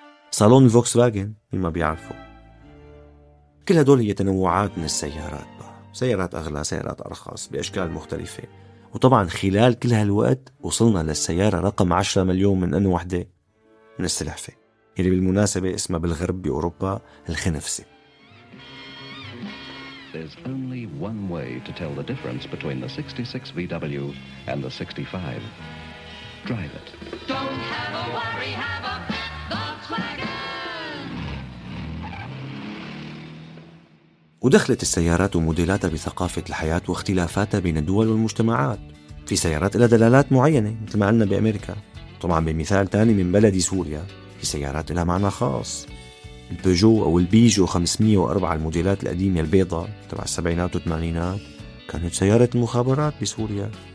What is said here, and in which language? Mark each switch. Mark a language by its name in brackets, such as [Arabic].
[Arabic] صالون فوكس فاجن مما بيعرفوا. كل هدول هي تنوعات من السيارات بقى. سيارات أغلى سيارات أرخص بأشكال مختلفة. وطبعا خلال كل هالوقت وصلنا للسيارة رقم 10 مليون من أنه وحدة من السلحفة، اللي بالمناسبة اسمها بالغرب بأوروبا الخنفسة. [English] There's only one way to tell the difference between the 66 VW and the 65. Drive it. Don't have a worry, have a Volkswagen. [Arabic] ودخلت السيارات وموديلاتها بثقافة الحياة واختلافاتها بين الدول والمجتمعات. في سيارات لها دلالات معينة مثل ما قلنا بأمريكا. طبعا بمثال تاني من بلدي سوريا في سيارات لها معنى خاص. البيجو أو البيجو 504 الموديلات القديمة البيضاء تبع السبعينات والثمانينات كانت سيارة المخابرات بسوريا.